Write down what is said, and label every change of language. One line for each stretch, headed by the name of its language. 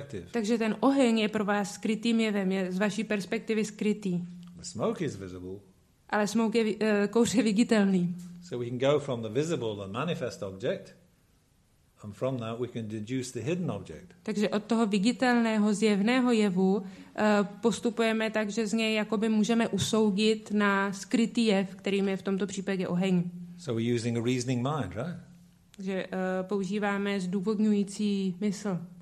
Czech: Takže ten oheň je pro vás skrytým jevem, je z vaší perspektivy skrytý.
English: The smoke is visible.
Czech: Ale smoke je kouř je viditelný.
English: So we can go from the visible and manifest object, and from that we can deduce the hidden object.
Czech: Takže od toho viditelného zjevného jevu postupujeme tak, že z něj jakoby můžeme usoudit na skrytý jev, kterým je v tomto případě oheň.
English: So we're using a reasoning mind, right?
Czech: Že používáme zdůvodňující mysl.